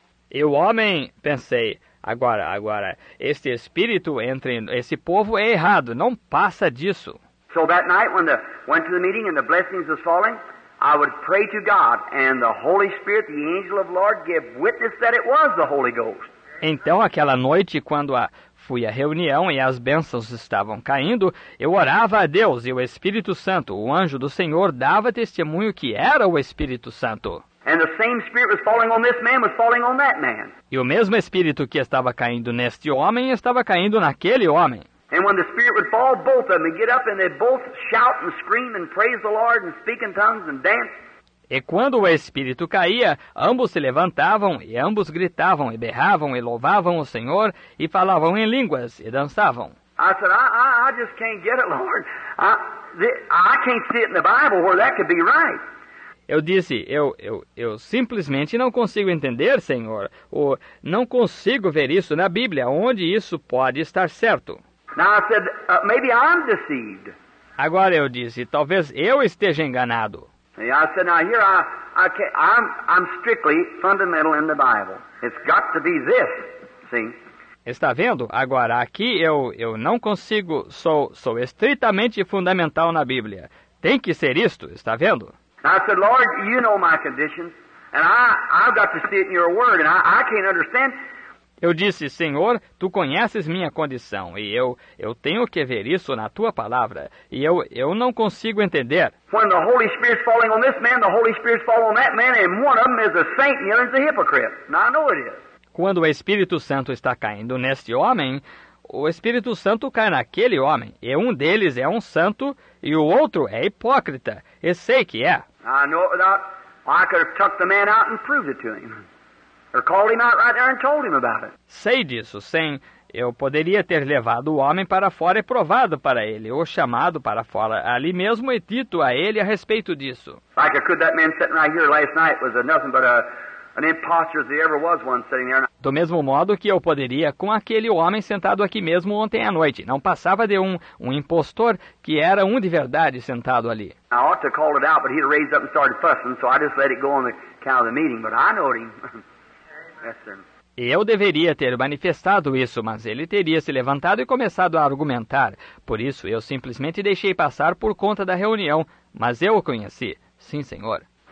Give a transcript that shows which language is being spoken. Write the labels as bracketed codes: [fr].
[pt] E o homem, pensei, agora, este espírito entre esse povo é errado, não passa disso. [en] So that night when the went to the meeting and the blessings was falling, I would pray to God and the Holy Spirit, the angel of the Lord, gave witness that it was the Holy Ghost. [pt] Então aquela noite quando fui à reunião e as bênçãos estavam caindo, eu orava a Deus e o Espírito Santo, o anjo do Senhor, dava testemunho que era o Espírito Santo. [en] And the same spirit was falling on this man, was falling on that man. [pt] E o mesmo espírito que estava caindo neste homem estava caindo naquele homem. [en] And when the spirit would fall, both of them would get up and they'd both shout and scream and praise the Lord and speak in tongues and dance. [pt] E quando o espírito caía, ambos se levantavam e ambos gritavam e berravam e louvavam o Senhor e falavam em línguas e dançavam. [en] I said, I just can't get it, Lord. I can't see it in the Bible where that could be right. [pt] Eu disse, eu simplesmente não consigo entender, Senhor. Ou não consigo ver isso na Bíblia, onde isso pode estar certo. [en] Now I said, maybe I'm deceived. [pt] Agora eu disse, talvez eu esteja enganado. [en] I said, now here I'm strictly fundamental in the Bible. It's got to be this, see? [pt] Está vendo? Agora aqui eu não consigo, sou estritamente fundamental na Bíblia. Tem que ser isto, está vendo? [en] I said, Lord, you know my condition, and I've got to see it in your word, and I can't understand. [pt] Eu disse, Senhor, Tu conheces minha condição e eu tenho que ver isso na Tua palavra e eu não consigo entender. [en] When the Holy Spirit's falling on this man, the Holy Spirit's falling on that man, and one of them is a saint and the other is a hypocrite. Now I know it is. [pt] Quando o Espírito Santo está caindo neste homem, o Espírito Santo cai naquele homem e um deles é um santo e o outro é hipócrita. E sei que é. [en] I know that I could have tucked the man out and proved it to him. Or called him out right there and told him about it. [pt] Sei disso, sim. Eu poderia ter levado o homem para fora e provado para ele, ou chamado para fora ali mesmo e dito a ele a respeito disso. [en] Like I could, that man sitting right here last night was nothing but an imposter as there ever was one sitting there. [pt] Do mesmo modo que eu poderia com aquele homem sentado aqui mesmo ontem à noite. Não passava de um impostor que era um de verdade sentado ali. [en] I ought to call it out, but he'd raised up and started fussing, so I just let it go on the count of the meeting, but I know him. [pt] E eu deveria ter manifestado isso, mas ele teria se levantado e começado a argumentar. Por isso, eu simplesmente deixei passar por conta da reunião. Mas eu o conheci. Sim, Senhor.